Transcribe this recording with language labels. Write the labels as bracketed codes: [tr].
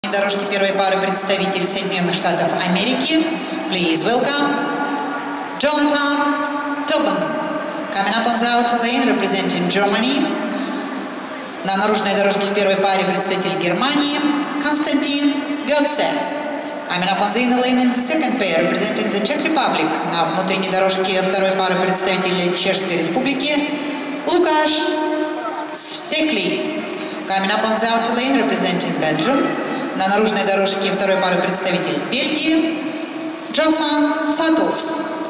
[ru] дорожки первой пары представителей Соединенных Штатов Америки. [en] Please welcome Jonathan Toban. Coming up on the outer lane, representing Germany. [ru] На наружной дорожке в первой паре представитель Германии Константин Гёцсе. [en] Coming up on the inner lane in the second pair, representing the Czech Republic. [ru] На внутренней дорожке второй пары представитель Чешской Республики Лукаш Стекли. [en] Coming up on the outer lane, representing Belgium. [ru] На наружной дорожке второй пары представитель Бельгии Джосан Саттлс.